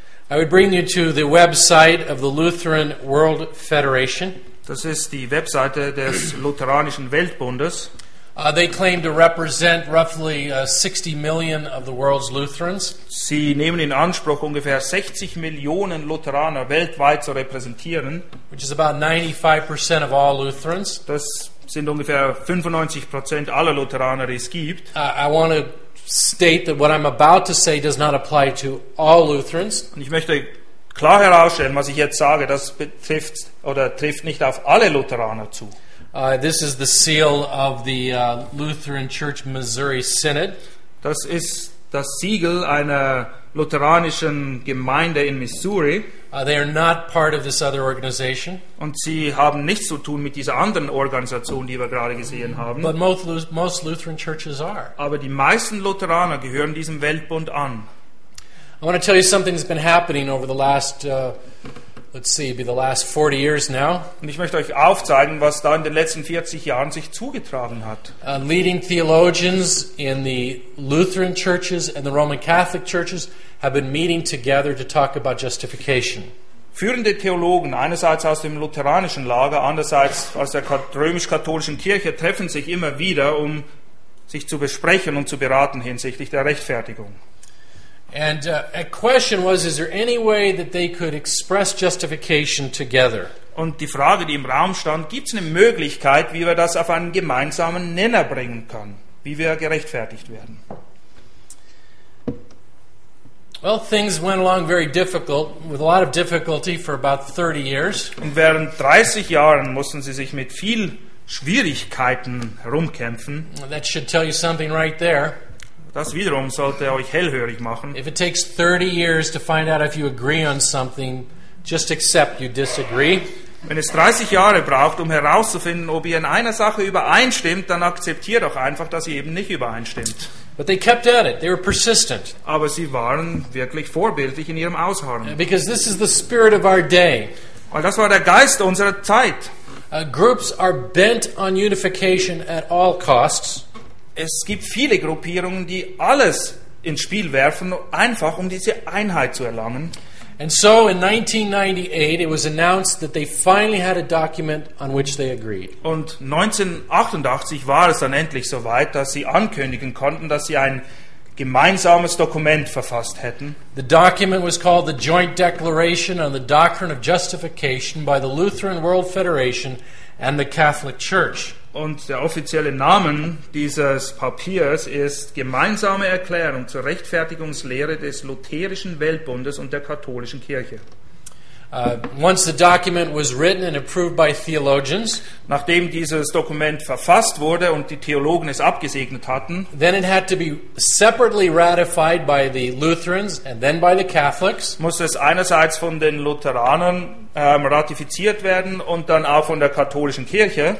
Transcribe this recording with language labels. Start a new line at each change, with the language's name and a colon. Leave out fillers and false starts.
English: I would bring you to the website of the Lutheran World Federation.
German: Das ist die Webseite des Lutheranischen Weltbundes.
English: They claim to represent roughly 60 million of the world's Lutherans.
German: Sie nehmen in Anspruch, ungefähr 60 Millionen Lutheraner weltweit zu repräsentieren.
English: Which is about 95% of all Lutherans.
German: Das sind ungefähr 95% aller Lutheraner, die es gibt.
English: I want to state that what I'm about to say does not apply to all Lutherans.
German: Und ich möchte klar herausstellen, was ich jetzt sage, das betrifft oder trifft nicht auf alle Lutheraner zu.
English: This is the seal of the Lutheran Church Missouri Synod.
German: Das ist das Siegel einer lutheranischen Gemeinde in Missouri.
English: They are not part of this other organization.
German: Und sie haben nichts zu tun mit dieser anderen Organisation, die wir gerade gesehen haben.
English: But most Lutheran churches are.
German: Aber die meisten Lutheraner gehören diesem Weltbund an.
English: I want to tell you something that's been happening over the last, the last 40 years now.
German: Und ich möchte euch aufzeigen, was da in den letzten 40 Jahren sich zugetragen hat.
English: Leading theologians in the Lutheran churches and the Roman Catholic churches have been meeting together to talk about justification.
German: Führende Theologen, einerseits aus dem lutheranischen Lager, andererseits aus der römisch-katholischen Kirche, treffen sich immer wieder, um sich zu besprechen und zu beraten hinsichtlich der Rechtfertigung.
English: And a question was, is there any way that they could express justification together?
German: Und die Frage, die im Raum stand, gibt's eine Möglichkeit, wie wir das auf einen gemeinsamen Nenner bringen können, wie wir gerechtfertigt werden?
English: Well, things went along very difficult, with a lot of difficulty for about 30 years.
German: Und während 30 Jahren mussten sie sich mit viel Schwierigkeiten herumkämpfen.
English: That should tell you something right there.
German: Das wiederum sollte euch hellhörig machen.
English: If it takes 30 years to find out if you agree on something, just accept you disagree.
German: Wenn es 30 Jahre braucht, um herauszufinden, ob ihr in einer Sache übereinstimmt, dann akzeptiert doch einfach, dass ihr eben nicht übereinstimmt.
English: But they kept at it. They were persistent.
German: Aber sie waren wirklich vorbildlich in ihrem Ausharren.
English: Because this is the spirit of our day.
German: Weil das war der Geist unserer Zeit.
English: Groups are bent on unification at all costs.
German: Es gibt viele Gruppierungen, die alles ins Spiel werfen, einfach um diese Einheit zu erlangen.
English: And so in 1998 it was announced that they finally had a document on which they agreed.
German: Und 1988 war es dann endlich soweit, dass sie ankündigen konnten, dass sie ein gemeinsames Dokument verfasst hätten.
English: The document was called the Joint Declaration on the Doctrine of Justification by the Lutheran World Federation and the Catholic Church.
German: Und der offizielle Name dieses Papiers ist Gemeinsame Erklärung zur Rechtfertigungslehre des Lutherischen Weltbundes und der Katholischen Kirche.
English: Once the document was written and approved by theologians,
German: nachdem dieses Dokument verfasst wurde und die Theologen es abgesegnet hatten,
English: then it had to be separately ratified by the Lutherans and then by the Catholics.
German: Muss es einerseits von den Lutheranern ratifiziert werden und dann auch von der katholischen Kirche.